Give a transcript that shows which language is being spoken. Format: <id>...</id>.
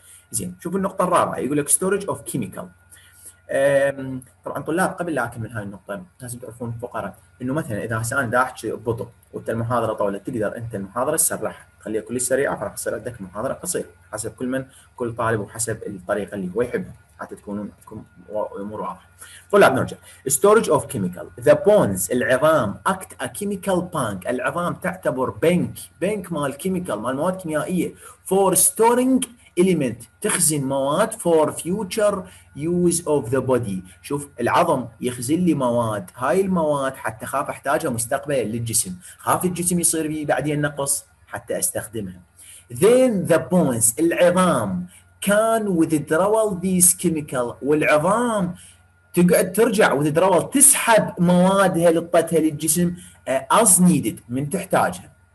<ar>زين، شوف النقطة الرابعة، يقول لك storage of chemical. طبعاً طلاب قبل لا أكمل هاي النقطة لازم تعرفون فقرة، إنه مثلاً إذا سأنا دا أحكي ببطء وقت المحاضرة طولت، تقدر أنت المحاضرة تسرعها، خليها كل سريعة فراح تصير عندك محاضرة قصيرة، حسب كل من كل طالب وحسب الطريقة اللي هو يحبها، حتى تكونون عندكم أمور واضحة. طلاب نرجع،</ar> <en>storage of chemical، the bones العظام act a chemical bank،</en> <ar>العظام تعتبر بنك مال</ar> <en>chemical،</en> <ar>مال مواد كيميائية،</ar> <en>for storing element،</en> <ar>تخزن مواد</ar> <en>for future use of the body.</en> <ar>شوف العظم يخزن لي مواد، هاي المواد حتى خاف احتاجها مستقبلا للجسم، خاف الجسم يصير بي بعدين نقص حتى استخدمها.</ar> <en>then the bones</en> <ar>العظام</ar> <en>can withdraw these chemical،</en> <ar>والعظام تقعد ترجع withdraw تسحب موادها لطتها للجسم</ar> <en>as needed</en> <ar>من تحتاجها.</ar>